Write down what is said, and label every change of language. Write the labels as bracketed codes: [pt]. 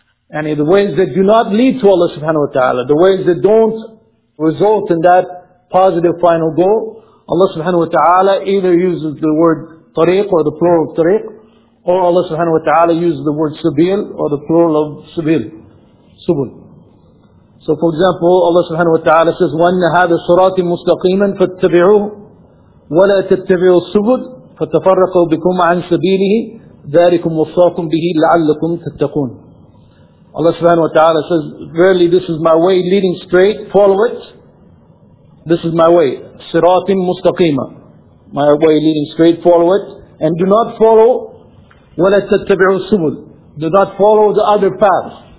[en] and the ways that do not lead to Allah subhanahu wa ta'ala, the ways that don't result in that positive final goal, Allah subhanahu wa ta'ala either uses the word tariq or the plural of tariq, or Allah subhanahu wa ta'ala uses the word sabil or the plural of sabil, subul. So for example, Allah subhanahu wa ta'ala says, [ar] وَأَنَّ هَذَا صُرَاطِ مُسْتَقِيمًا فَاتَّبِعُوهُ وَلَا تَتَّبِعُوا السُّبُلَ فَتَفَرَّقُوا بِكُمْ عَنْ سَبِيلِهِ ذَلِكُمْ وَصَّاكُمْ بِهِ لَعَلَّكُمْ تَتَّقُونَ. [en] Allah subhanahu wa ta'ala says, verily this is my way leading straight, follow it. This is my way, siratim mustaqima. My way leading straight, follow it. And do not follow, [ar] وَلَا تَتَّبِعُوا السُّبُلْ. [en] Do not follow the other paths.